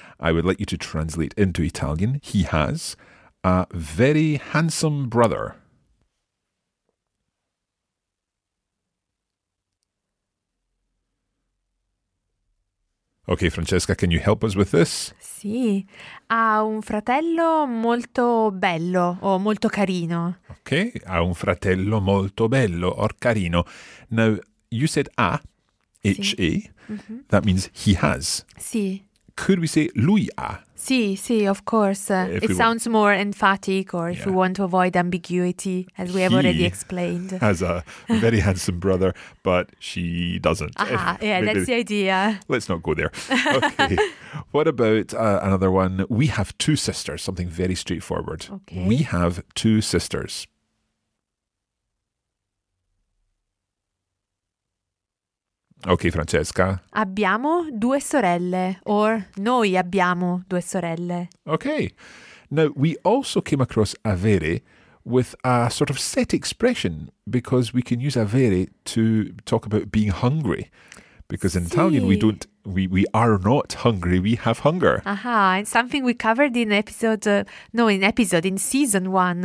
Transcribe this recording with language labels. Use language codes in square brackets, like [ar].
[en] I would like you to translate into Italian. He has a very handsome brother. Okay, Francesca, can you help us with this? [it] Sì, ha un fratello molto bello o molto carino. Okay, ha un fratello molto bello or carino. [en] Now, you said a, H-A, [it] sì. [en] That means he has. [it] Sì. [en] Could we say [it] lui ha? Sì, sì, [en] of course. It sounds more emphatic or if we want to avoid ambiguity, as we have already explained. He has a very handsome brother, but she doesn't. Aha, yeah, that's the idea. Let's not go there. Okay, what about another one? We have two sisters, something very straightforward. Okay. We have two sisters. Okay, Francesca. [it] Abbiamo due sorelle, or noi abbiamo due sorelle. [en] Okay. Now, we also came across avere with a sort of set expression, because we can use avere to talk about being hungry. Because in Italian, we are not hungry, we have hunger. Aha, and something we covered in season one.